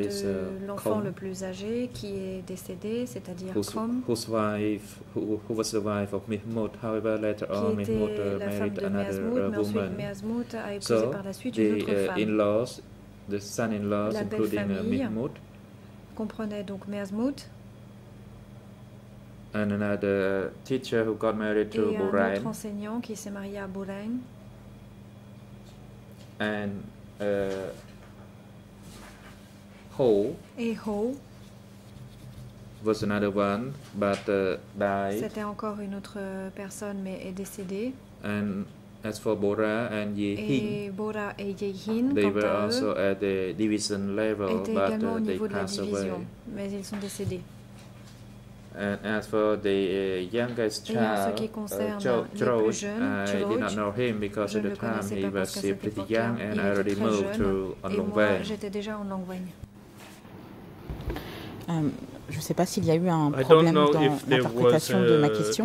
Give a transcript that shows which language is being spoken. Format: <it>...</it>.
<fr>Je vais parler de l'enfant le plus âgé qui est décédé, c'est-à-dire Khom. Mehmoud a épousé par la suite une autre femme. Comprenait donc Mehmoud.</fr> <en>And another teacher who got married to Burain.</en> <fr>Et un autre enseignant qui s'est marié à Burain.</fr> <en>And Ho.</en> <fr>Et Ho.</fr> <en>Was another one, but died.</en> <fr>C'était encore une autre personne, mais est décédée.</fr> <en>And as for Bora and Yehin.</en> <fr>Et Bora et Yehin,</fr> <en>they were also at the division level, but they passed away.</en> <fr>Mais ils sont décédés.</fr> <en>And as for the youngest child, Choj, I did not know him because at the time he was pretty young and I already moved to Longwen.</en> <fr>Je ne sais pas s'il y a eu un problème dans l'interprétation de ma question.</fr>